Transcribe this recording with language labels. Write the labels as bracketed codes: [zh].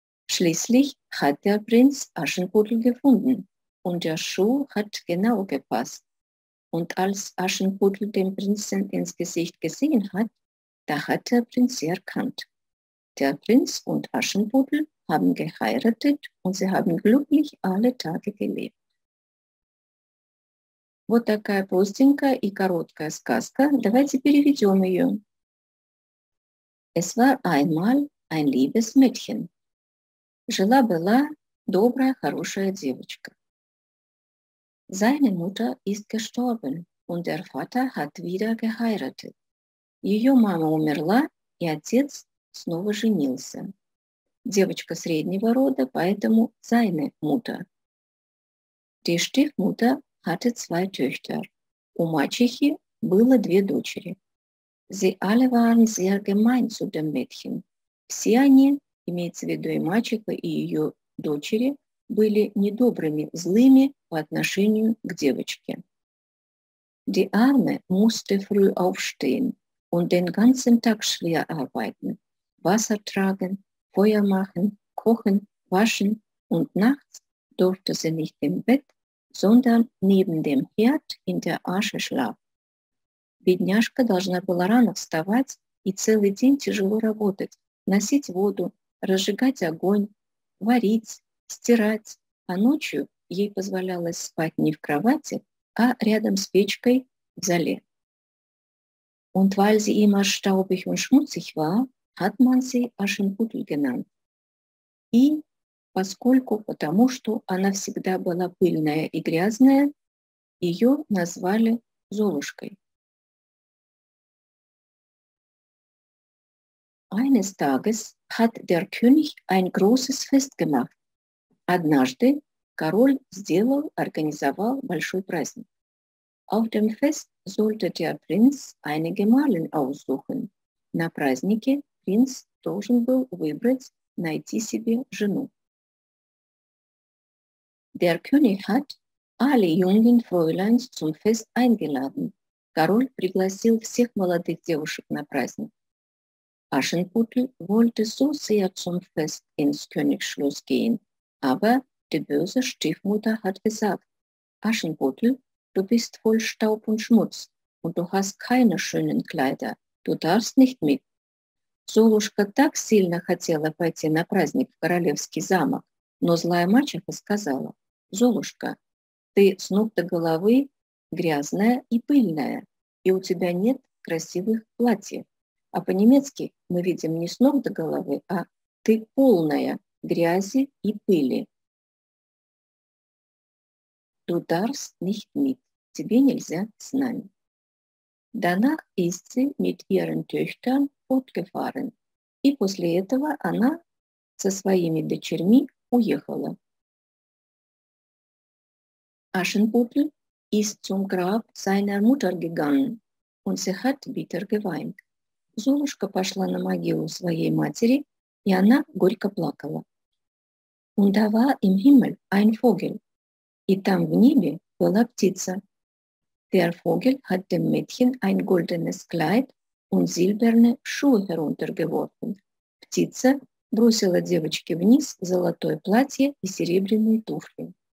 [de] Schließlich hat der Prinz Aschenputtel gefunden und der Schuh hat genau gepasst. Und als Aschenputtel den Prinzen ins Gesicht gesehen hat, da hat der Prinz sie erkannt. Der Prinz und Aschenputtel haben geheiratet und sie haben glücklich alle Tage gelebt. [ru] Вот такая простенькая и короткая сказка. Давайте переведем ее. [de] Es war einmal ein liebes Mädchen. [ru] Жила-была добрая, хорошая девочка. [de] Seine Mutter ist gestorben und der Vater hat wieder geheiratet. [ru] Ее мама умерла, и отец снова женился. Девочка среднего рода, поэтому [de] seine Mutter. Die Stiefmutter hatte zwei Töchter. [ru] У мачехи было две дочери. [de] Sie alle waren sehr gemein zu dem Mädchen. [ru] Все они, имеется в виду и мачеха, и ее дочери, были недобрыми, злыми по отношению к девочке. [de] Die Arme musste früh aufstehen und den ganzen Tag schwer arbeiten, Wasser tragen, Feuer machen, kochen, waschen und nachts durfte sie nicht im Bett, sondern neben dem Herd in der Asche schlafen. [ru] Бедняжка должна была рано вставать и целый день тяжело работать, носить воду, разжигать огонь, варить, стирать, а ночью ей позволялось спать не в кровати, а рядом с печкой в зале. [de] Und weil sie immer staubig und schmutzig war, hat man sie Aschenputtel genannt. [ru] И поскольку, потому что она всегда была пыльная и грязная, ее назвали Золушкой. [de] Eines Tages hat der König ein großes Fest gemacht. [ru] Однажды король сделал, организовал большой праздник. [de] Auf dem Fest sollte der Prinz eine Gemahlin aussuchen. [ru] На празднике принц должен был выбрать, найти себе жену. [de] Der König hat alle jungen Fräuleins zum Fest eingeladen. [ru] Король пригласил всех молодых девушек на праздник. [de] Aschenputtel wollte so sehr zum Fest ins Königsschloss gehen, aber die böse Stiefmutter hat gesagt, Aschenputtel, du bist voll Staub und Schmutz und du hast keine schönen Kleider, du darfst nicht mit. [ru] Золушка так сильно хотела пойти на праздник в королевский замок, но злая мачеха сказала, Золушка, ты с ног до головы грязная и пыльная, и у тебя нет красивых платьев. А по-немецки мы видим не с ног до головы, а ты полная грязи и пыли. [de] Du darfst nicht mit. [ru] Тебе нельзя с нами. [de] Danach ist sie mit ihren Töchtern fortgefahren. [ru] И после этого она со своими дочерьми уехала. [de] Aschenputtel ist zum Grab seiner Mutter gegangen und sie hat bitter geweint. [ru] Золушка пошла на могилу своей матери, и она горько плакала. [de] Und da war im Himmel ein Vogel. [ru] И там в небе была птица. [de] Der Vogel hat dem Mädchen ein goldenes Kleid und silberne Schuhe heruntergeworfen. [ru] Птица бросила девочке вниз золотое платье и серебряные туфли.